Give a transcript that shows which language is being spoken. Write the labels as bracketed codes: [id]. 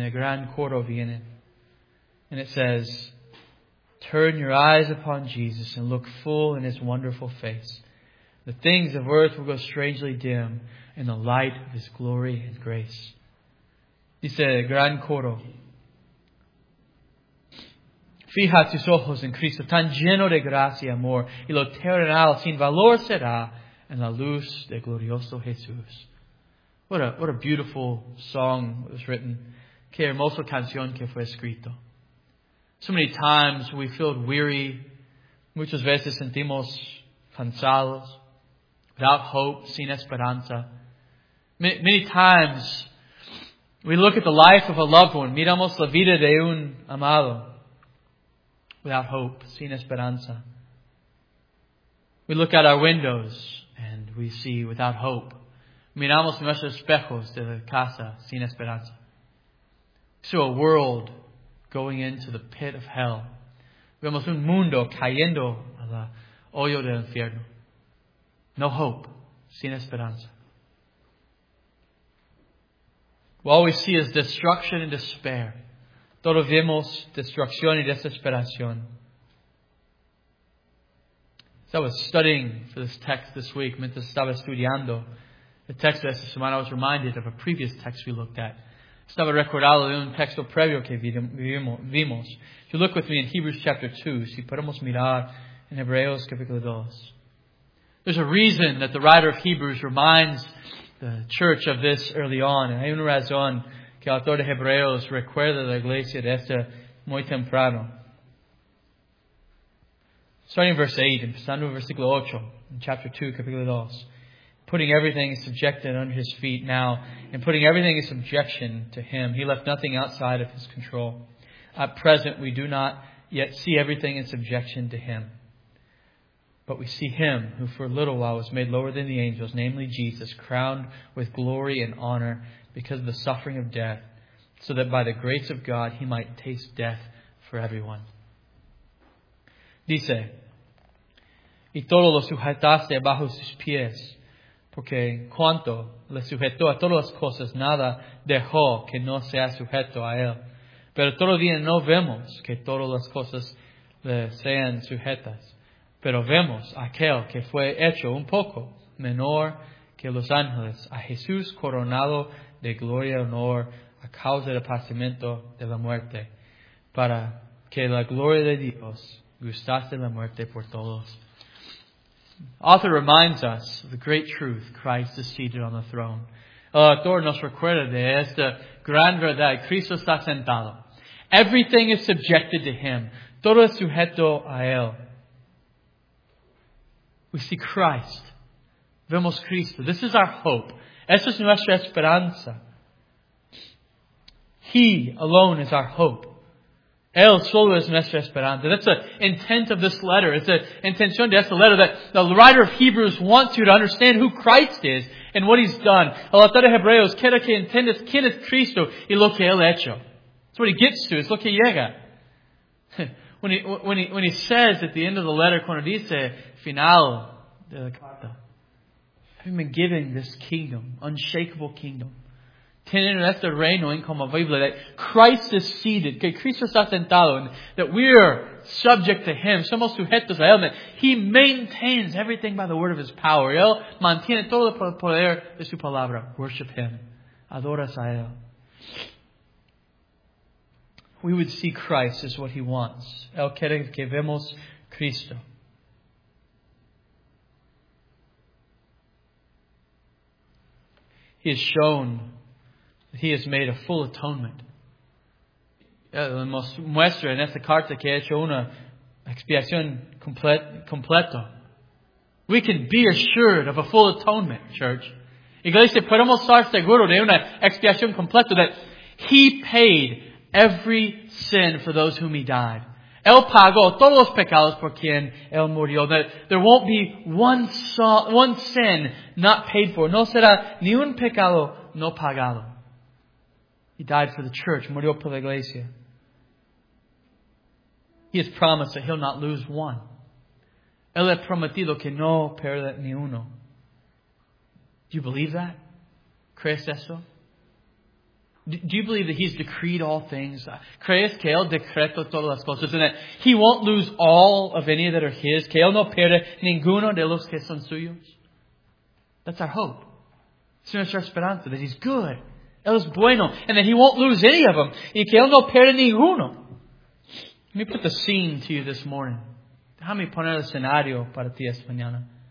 [es] A gran coro viene. [en] And it says, turn your eyes upon Jesus and look full in His wonderful face. The things of earth will go strangely dim in the light of His glory and grace. [es] Dice el gran coro. Fija tus ojos en Cristo, tan lleno de gracia y amor, y lo terrenal sin valor será en la luz de glorioso Jesús. [en] What a beautiful song was written. [es] Qué hermosa canción que fue escrito. [en] So many times we feel weary. [es] Muchas veces sentimos cansados, [en] without hope, [es] sin esperanza. [en] Many times we look at the life of a loved one. [es] Miramos la vida de un amado, [en] without hope, [es] sin esperanza. [en] We look out our windows and we see without hope. [es] Miramos nuestros espejos de la casa, sin esperanza. [en] So a world going into the pit of hell. [es] Vemos un mundo cayendo al hoyo del infierno. [en] No hope, [es] sin esperanza. [en] All we see is destruction and despair. [es] Todo vemos destrucción y desesperación. [en] So I was studying for this text this week, [es] mientras estaba estudiando [en] the text [es] de esta semana, [en] I was reminded of a previous text we looked at. [es] Estaba recordado de un texto previo que vimos. [en] If you look with me in Hebrews chapter 2, [es] si podemos mirar en Hebreos capítulo 2. [en] There's a reason that the writer of Hebrews reminds the church of this early on. [es] Hay una razón que el autor de Hebreos recuerda la iglesia de esta muy temprano. [en] Starting in verse 8, [es] empezando en versículo 8, [en] in chapter 2, [es] capítulo 2. [en] Putting everything subjected under His feet now, and putting everything in subjection to Him. He left nothing outside of His control. At present, we do not yet see everything in subjection to Him. But we see Him, who for a little while was made lower than the angels, namely Jesus, crowned with glory and honor because of the suffering of death, so that by the grace of God He might taste death for everyone. [es] Dice, y todo lo sujetaste bajo sus pies, porque cuanto le sujetó a todas las cosas, nada dejó que no sea sujeto a él. Pero todavía no vemos que todas las cosas le sean sujetas. Pero vemos a aquel que fue hecho un poco menor que los ángeles, a Jesús coronado de gloria y honor a causa del padecimiento de la muerte, para que la gloria de Dios gustase la muerte por todos. [en] Author reminds us of the great truth, Christ is seated on the throne. [es] El autor nos recuerda de esta gran verdad, Cristo está sentado. [en] Everything is subjected to Him. [es] Todo es sujeto a Él. [en] We see Christ. [es] Vemos Cristo. [en] This is our hope. [es] Esta es nuestra esperanza. [en] He alone is our hope. [es] Él solo es nuestra esperanza. [en] That's the intent of this letter. It's the intention of this letter that the writer of Hebrews wants you to understand who Christ is and what He's done. [es] El autor de Hebreos quiere que entiendas quién es Cristo y lo que Él ha hecho. [en] It's what he gets to. It's [es] lo que llega. [en] When he says at the end of the letter, [es] cuando dice final de la carta, [en] I've been given this kingdom, unshakable kingdom. [es] Tienen este reino incomovible, [en] that Christ is seated, [es] que Cristo está sentado, [en] and that we are subject to Him. [es] Somos sujetos a Él. [en] He maintains everything by the word of His power. [es] Él mantiene todo el poder de su palabra. [en] Worship Him. [es] Adoras a Él. [en] We would see Christ as what He wants. [es] Él quiere que vemos Cristo. [en] He has shown He has made a full atonement. [es] Muestra en esta carta que ha hecho una expiación completa. [en] We can be assured of a full atonement, church. [es] Iglesia, podemos estar seguros de una expiación completa, [en] that He paid every sin for those whom he died. [es] Él pagó todos los pecados por quien él murió. [en] There won't be one sin not paid for. [es] No será ni un pecado no pagado. [en] He died for the church. [es] Murió por la iglesia. [en] He has promised that he'll not lose one. [es] Él ha prometido que no perderá ni uno. [en] Do you believe that? [es] ¿Crees eso? [en] Do you believe that he's decreed all things? [es] ¿Crees que él decretó todas las cosas? [en] And that he won't lose all of any that are his? [es] ¿Que él no pierde ninguno de los que son suyos? [en] That's our hope. [es] Es nuestra esperanza. [en] That he's good. [es] Él es bueno. [en] And that he won't lose any of them. [es] Y que él no pierde ninguno. [en] Let me put the scene to you this morning. [es] Déjame poner el escenario para ti esta mañana.